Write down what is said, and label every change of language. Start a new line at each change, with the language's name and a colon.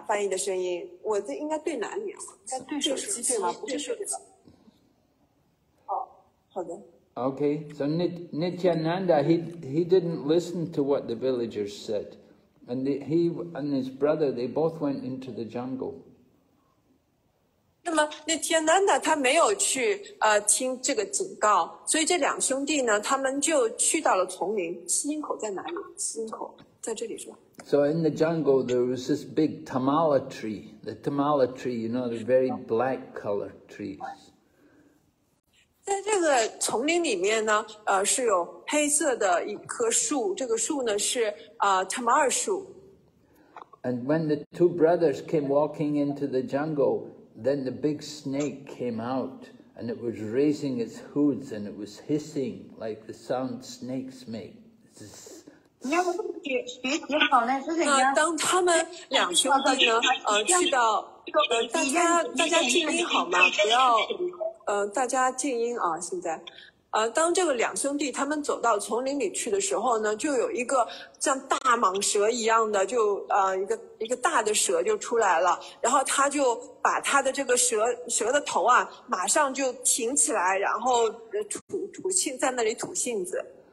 Chinese: 翻译的声音，我这应该对哪里啊？应该对手机对吗？不是手机。好的。
English: Okay, so Nityananda he didn't listen to what the villagers said, and he and his brother they both went into the jungle.
Chinese: 那么Nityananda他没有去听这个警告，所以这两兄弟呢，他们就去到了丛林。吸音口在哪里？吸音口。在这里是吧？
English: So in the jungle, there was this big tamala tree. The tamala tree, you know, the very black color trees.
Chinese: 在这个丛林里面呢，是有黑色的一棵树。这个树呢是tamala 树。
English: And when the two brothers came walking into the jungle, then the big snake came out, and it was raising its hooves, and it was hissing like the sound snakes make.
Chinese: 你要不学好呢，是怎样？当他们两兄弟呢，去到，大家静音好吗？不要，大家静音啊，现在。当这个两兄弟他们走到丛林里去的时候呢，就有一个像大蟒蛇一样的，就一个大的蛇就出来了，然后他就把他的这个蛇的头啊，马上就挺起来，然后吐信在那里吐信子。